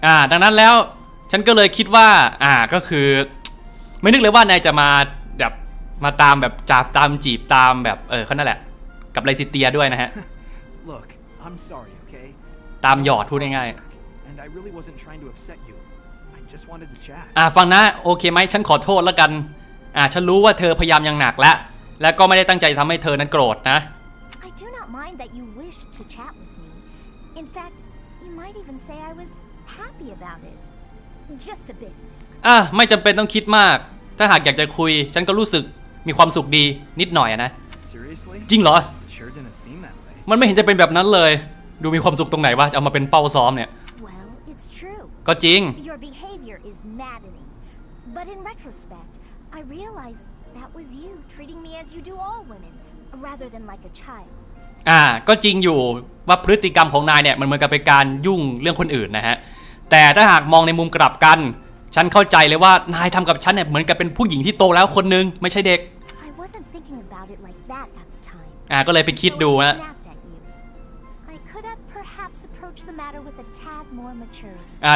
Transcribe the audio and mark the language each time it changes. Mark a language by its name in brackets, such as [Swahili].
[Thai] ดังนั้นแล้วฉันก็เลยคิดว่าก็คือไม่นึกเลยว่านายจะมาแบบมาตามแบบจับตามจีบตามแบบเขานั่นแหละกับไลซิเตียด้วยนะฮะ [English] Look, I'm sorry, okay? [Thai] ตามหยอดพูดง่ายๆ [English] And I really wasn't trying to upset you. I just wanted to chat. [Thai] ฟังนะโอเคไหมฉันขอโทษแล้วกันฉันรู้ว่าเธอพยายามอย่างหนักแล้วและก็ไม่ได้ตั้งใจทำให้เธอนั้นโกรธนะ [English] I do not mind that you wish to chat with me. In fact, you might even say I was happy about it. Just a bit. [Thai] ไม่จำเป็นต้องคิดมากถ้าหากอยากจะคุยฉันก็รู้สึกมีความสุขดีนิดหน่อยนะ [English] Seriously? [Thai] จริงเหรอ [English] Sure didn't seem that way. [Thai] มันไม่เห็นจะเป็นแบบนั้นเลยดูมีความสุขตรงไหนวะเอามาเป็นเป้าซ้อมเนี่ย [English] Well, it's true. [Thai] ก็จริง [English] Your behavior is maddening. But in retrospect,I realized that was you treating me as you do all women rather than like a child. [Thai] ก็จริงอยู่ว่าพฤติกรรมของนายเนี่ยมันเหมือนกับเป็นการยุ่งเรื่องคนอื่นนะฮะแต่ถ้าหากมองในมุมกลับกันฉันเข้าใจเลยว่านายทำกับฉันเนี่ยเหมือนกับเป็นผู้หญิงที่โตแล้วคนนึงไม่ใช่เด็ก [English] I wasn't thinking about it like that at the time. [Thai] ก็เลยไปคิดดูฮะ [English] I could have perhaps approached the matter with a tad more maturity.